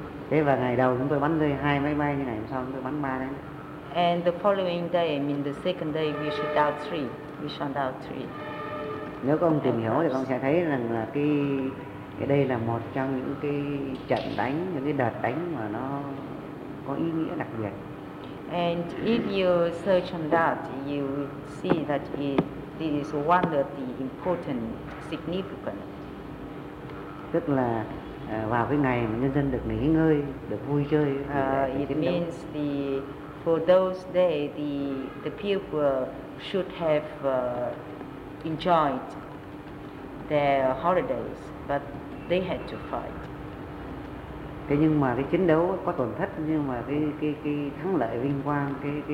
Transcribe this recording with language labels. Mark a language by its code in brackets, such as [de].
[vi] Thế và ngày đầu chúng tôi bắn rơi 2 máy bay, như ngày hôm sau chúng tôi bắn 3 đấy. [en] And the following day, I mean the second day, we shot down 3. We shot down 3. [vi] Nếu con tìm hiểu thì con sẽ thấy rằng là cái đây là một trong những cái trận đánh, những cái đợt đánh mà nó có ý nghĩa đặc biệt. [en] And if you search on that, you see that it is one of the important, significant. [vi] Tức là vào cái ngày mà nhân dân được nghỉ ngơi, được vui chơi. [en] It means the for those days the people should have enjoyed their holidays, but they had to fight. [vi] Thế nhưng mà cái chiến đấu có tổn thất, nhưng mà cái thắng lợi vinh quang, cái